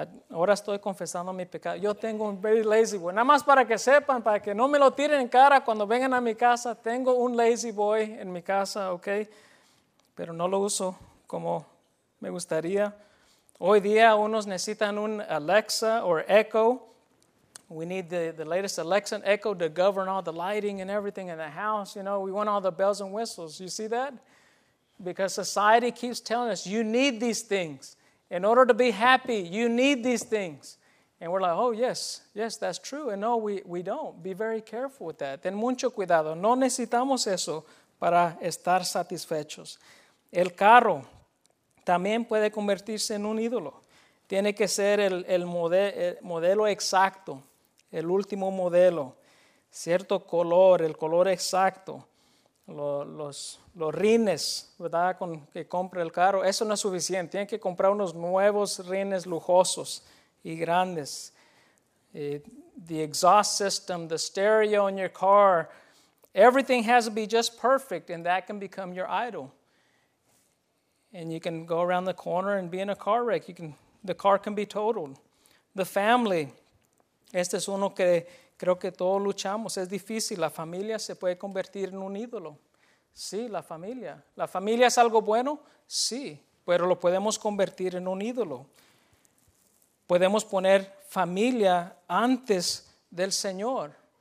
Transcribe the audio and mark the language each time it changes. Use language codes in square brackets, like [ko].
[es] Ahora estoy confesando mi pecado. Yo tengo un [en] very [es] lazy boy. Nada más para que sepan, para que no me lo tiren en cara cuando vengan a mi casa. Tengo un lazy boy en mi casa, ¿ok? Pero no lo uso como me gustaría. Hoy día unos necesitan un Alexa [en] or [es] Echo. [en] We need the latest Alexa and Echo to govern all the lighting and everything in the house. You know, we want all the bells and whistles. You see that? Because society keeps telling us, you need these things. In order to be happy, you need these things. And we're like, oh, yes, that's true. And no, we don't. Be very careful with that. [es] Ten mucho cuidado. No necesitamos eso para estar satisfechos. El carro también puede convertirse en un ídolo. Tiene que ser el modelo exacto. El último modelo, cierto color, el color exacto, los rines, ¿verdad? Con que compre el carro, eso no es suficiente. Tienen que comprar unos nuevos rines lujosos y grandes. [en] The exhaust system, the stereo in your car, everything has to be just perfect, and that can become your idol. And you can go around the corner and be in a car wreck. The car can be totaled. The family. [es] Este es uno que creo que todos luchamos. Es difícil. La familia se puede convertir en un ídolo. Sí, la familia. ¿La familia es algo bueno? Sí, pero lo podemos convertir en un ídolo. Podemos poner familia antes del Señor.